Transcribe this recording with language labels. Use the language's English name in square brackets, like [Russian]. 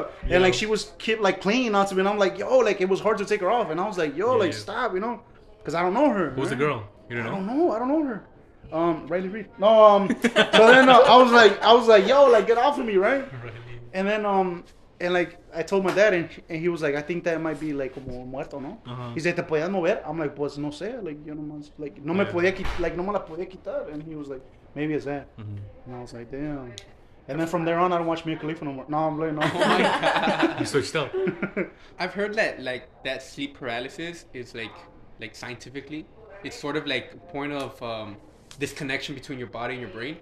[English] And, yeah, like, she was kept, like, clinging onto me. And I'm like, yo, like, it was hard to take her off. And I was like, yo, yeah, like, stop, you know, because I don't know her. Who's the girl? You don't know? I don't know her. Riley Reed. So then I was like, yo, like, get off of me, right? And then, and, like, I told my dad, and he was like, I think that might be, like, [Spanish] como muerto, ¿no? [English] Uh-huh. He said, [Spanish] ¿te podías mover? [English] I'm like, [Spanish] pues, no sé. Like, yo no más, like, no me podía quitar, like, no me la podía quitar. [English] And he was like, maybe it's that. Mm-hmm. And I was like, damn. And then from there on, I don't watch Mia Khalifa no more. No, I'm laying off. You switched up. I've heard that, like, that sleep paralysis is, like, scientifically, it's sort of, like, a point of this connection between your body and your brain.